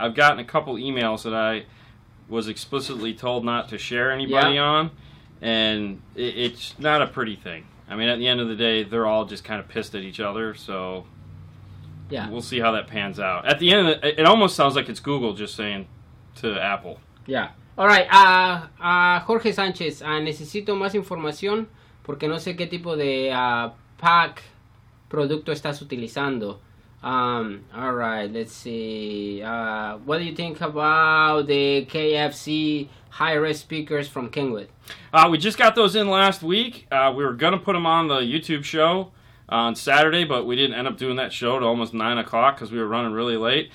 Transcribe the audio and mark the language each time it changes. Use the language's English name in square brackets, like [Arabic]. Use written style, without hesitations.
[English] I've gotten a couple emails that I was explicitly told not to share anybody on, and it's not a pretty thing. I mean, at the end of the day, they're all just kind of pissed at each other, so yeah, we'll see how that pans out. At the end of it almost sounds like it's Google just saying to Apple. Yeah. All right, [Spanish] Jorge Sánchez, necesito más información porque no sé qué tipo de pack producto estás utilizando. [English] All right, let's see. What do you think about the KFC high-res speakers from Kenwood? We just got those in last week. We were going to put them on the YouTube show on Saturday, but we didn't end up doing that show till almost 9 o'clock because we were running really late.